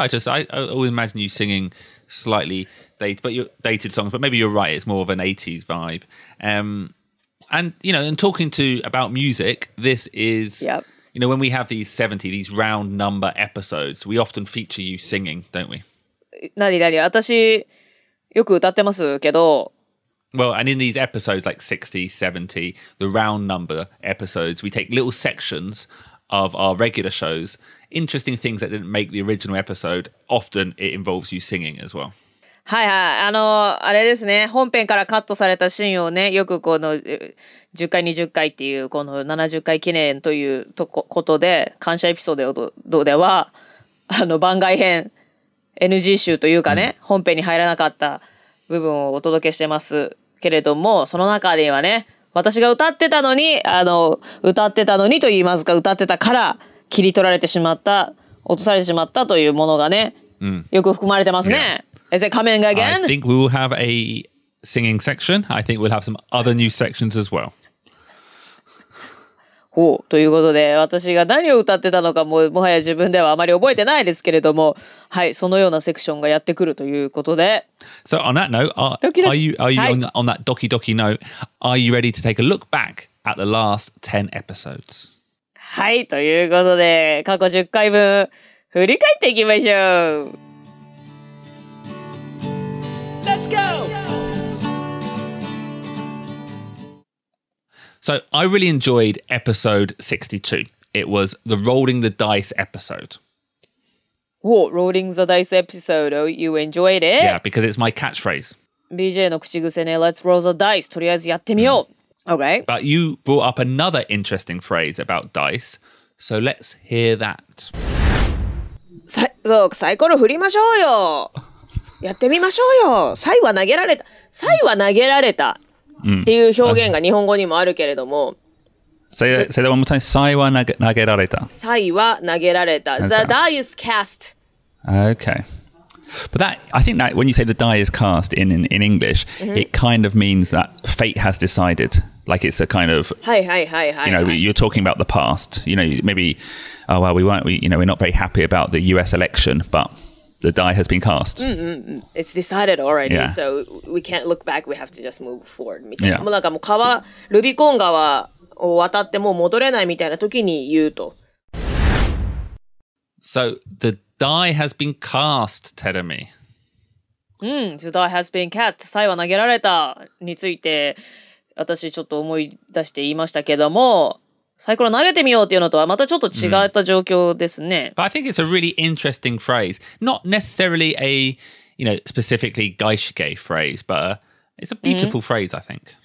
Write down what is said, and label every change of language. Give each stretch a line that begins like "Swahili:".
English: I always imagine you singing slightly dated songs, but maybe you're right. It's more of an 80s vibe. And you know, and talking to about music, this is you know, when we have these 70, these round number episodes, we often feature you singing, don't we?
Japanese: 何私よく歌ってますけど
English: Well, and in these episodes like 60, 70, the round number episodes, we take little sections of our regular shows, interesting things that didn't make the original episode, often it involves you singing as well.
Japanese: はいはい、あの、あれですね、本編からカットされたシーンをね、よくこの10回、20回っていう、この70回記念というとこ、ことで、感謝エピソードで、どうでは、あの番外編、NG 集というかね、本編に入らなかった部分をお届けしてますけれども、その中ではね、私が歌ってたのに、あの、歌ってたのにと言いますか、歌ってたから切り取られてしまった、落とされてしまったというものがね、よく含まれてますね。
English: Yeah. Is it coming again? I think we will have a singing section. I think we'll have some other new sections as well.
Japanese: ほうということで私が何を歌ってたのかももはや自分ではあまり覚えてないですけれどもはいそのようなセクションがやってくるということで
English: So on that note are you on that doki doki note are you ready to take a look back at the last 10 episodes
Japanese: はいということで過去10回分振り返っていきましょう
English: Let's go So I really enjoyed episode 62. It was the Rolling the Dice episode. What? Rolling the Dice episode? Oh, you enjoyed it? Yeah, because it's my catchphrase.
Japanese: BJ の口癖ね、
English: let's roll the dice.
Japanese: とりあえずやってみよう。
English: Okay. But you brought up another interesting phrase about dice. So let's hear that.
Japanese: そう、サイコロ振りましょうよ。やってみましょうよ。サイは投げられた。サイは投げられた。っていう表現が日本語にもあるけれども。
English: Say that one more time.
Japanese: サイは投げられた。サイは投げられた。
English: The die is cast. Okay. But that, I think that when you say the die is cast in English, it kind of means that fate has decided. Like it's a kind of, you know, you're talking about the past. You know, maybe, oh, well, we weren't, you know, we're not very happy about the US election, but... The die has been cast. It's decided already, so we can't look back. We have to just move forward. Yeah.
Japanese: もうなんかもう川、ルビコン川を渡ってもう戻れないみたいな時に言うと。
English: So the die has been cast, Teremi. The die has been cast.
Japanese: 際は投げられたについて私ちょっと思い出して言いましたけども。サイコロ投げてみようっていうのとはまたちょっと違った状況ですね。
English: But I think it's a really interesting phrase. Not necessarily a, you know, specifically gaishike phrase, but it's a beautiful phrase, I think.